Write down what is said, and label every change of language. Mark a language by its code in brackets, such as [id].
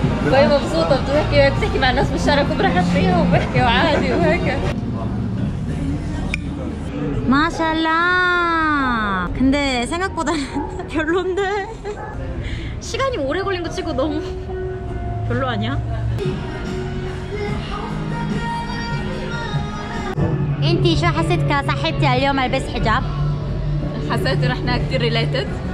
[ar] فهي مبسوطة بتحكي مع الناس بالشارع كلهم برحب فيهم وبحكي وعادي وهيك. ما شاء الله. [ko] 근데 생각보다는 별론데. 시간이 오래 걸린 거 치고 너무 별로 아니야? [ar] 인티 شو حسيت كصاحبتي اليوم البس حجاب؟ حسيت ان احنا كثير ريليتد.